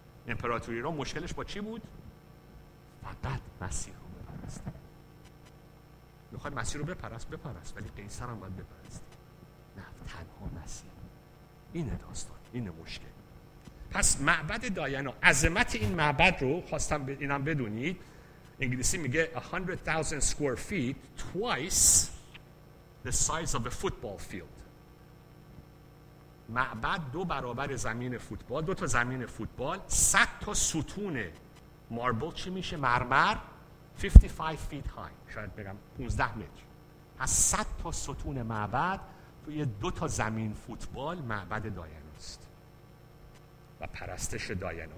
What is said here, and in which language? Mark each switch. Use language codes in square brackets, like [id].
[fa] امپراتوری روم مشکلش با چی بود؟ فقط مسیح رو بپرست. میخواد مسیح رو بپرست، بپرست، ولی قیصر هم باید بپرست. نه، تنها مسیح. اینه داستان، اینه مشکل. پس معبد دایانا، عظمت این معبد رو خواستم اینم بدونید. انگلیسی میگه [en] 100,000 square feet twice the size of a football field. [fa] معبد دو برابر زمین فوتبال، دو تا زمین فوتبال، 100 تا ستون ماربل، چی میشه؟ مرمر، [en] 55 feet high، [fa] شاید بگم 15 متر. از 100 تا ستون معبد توی دو تا زمین فوتبال معبد دایانا است و پرستش دایانا.